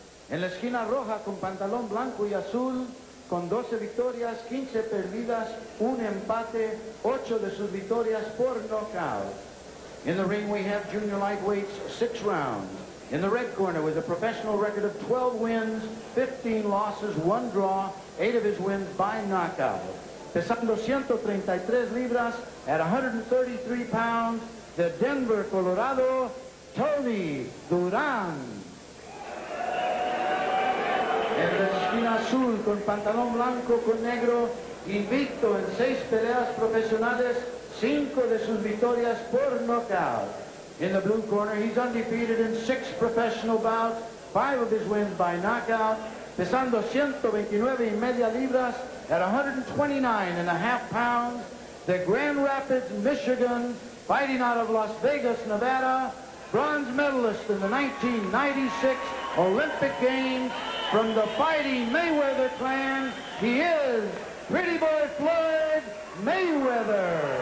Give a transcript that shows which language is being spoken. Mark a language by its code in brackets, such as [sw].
[es] En la esquina roja con pantalón blanco y azul, con 12 victorias, 15 perdidas, un empate, 8 de sus victorias por knockout. [en] In the ring, we have junior lightweights, 6 rounds. In the red corner, with a professional record of 12 wins, 15 losses, 1 draw, 8 of his wins by knockout. [es] Pesando 133 libras, [en] at 133 pounds, the Denver, Colorado, Tony Duran. [es] En la esquina azul, con pantalón blanco, con negro, invicto en 6 peleas profesionales, 5 de sus victorias por knockout. [en] In the blue corner, he's undefeated in 6 professional bouts, 5 of his wins by knockout, [es] pesando 129 y media libras, [en] at 129 and a half pounds, the Grand Rapids, Michigan, fighting out of Las Vegas, Nevada, bronze medalist in the 1996 Olympic Games, from the Fighting Mayweather clan, he is Pretty Boy Floyd Mayweather.